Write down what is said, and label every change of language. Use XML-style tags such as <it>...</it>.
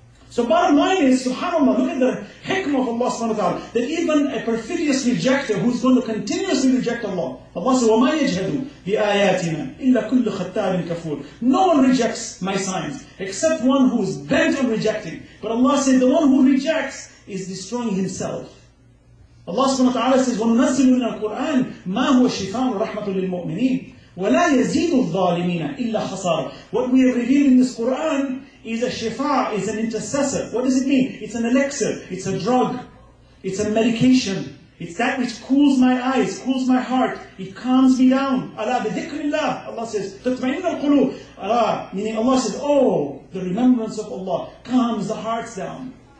<en>So bottom line is, subhanAllah, look at the hikmah of Allah subhanahu wa ta'ala, that even a perfidious rejecter who's going to continuously reject Allah, Allah says,</en> <ar>وَمَا يَجْهَدُ بِآيَاتِنَا إِلَّا كُلُّ خَتَّارٍ كَفُورٍ.</ar> <en>No one rejects my signs, except one who is bent on rejecting. But Allah says, the one who rejects is destroying himself. Allah subhanahu wa ta'ala says,</en> <ar>وَنُنَزِّلُ مِنَ الْقُرْآنِ مَا هُوَ الشِّفَاءُ وَرَحْمَةٌ لِلْمُؤْمِنِينَ وَلَا يَزِيدُ الظَّالِمِينَ إِلَّا خَسَارًا.</ar> <en>What we have revealed in this Quran is a shifa, is an intercessor. What does it mean? It's an elixir, it's a drug, it's a medication, It's that which cools my eyes, cools my heart. It calms me down.</en> <ar>Ala bidhikrillah.</ar> <en>Allah says,</en> <ar>tatma'in al-qulub.</ar> <en>Ala, meaning Allah says, oh, the remembrance of Allah calms the hearts down.</en>